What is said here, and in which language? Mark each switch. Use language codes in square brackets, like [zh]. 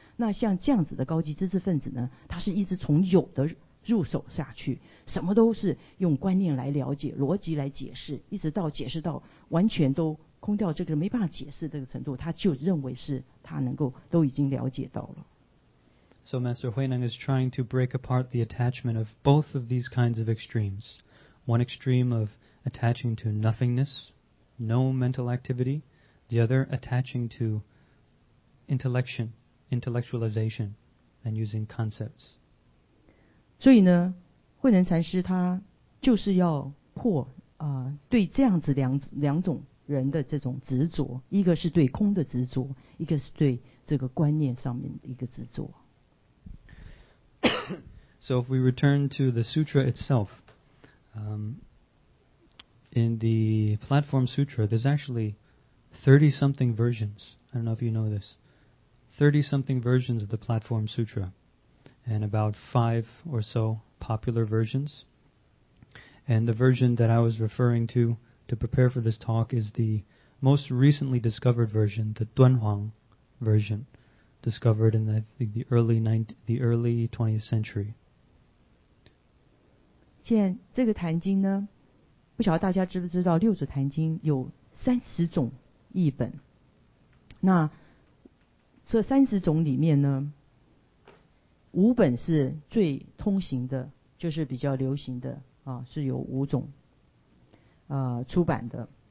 [zh] 那像这样子的高级知识分子呢，他是一直从有的入手下去，什么都是用观念来了解，逻辑来解释，一直到解释到完全都空掉，这个没办法解释这个程度，他就认为是他能够都已经了解到了。 [en] So Master Huineng is trying to break apart the attachment of both of these kinds of extremes. One extreme of attaching to nothingness, no mental activity. The other attaching to intellectualization and using concepts. [zh] 所以呢，慧能禅师他就是要破对这样子两种人的这种执着，一个是对空的执着，一个是对这个观念上面的一个执着。 [en] So if we return to the sutra itself, in the Platform Sutra, there's actually 30-something versions. I don't know if you know this. 30-something versions of the Platform Sutra. And about 5 or so popular versions. And the version that I was referring to prepare for this talk is the most recently discovered version, the Duanhuang version, discovered in the early 20th century. [zh] 现在这个坛经呢，不晓得大家知不知道，六祖坛经有30种译本。那这30种里面呢？五本是最通行的，就是比较流行的啊，是有5种出版的。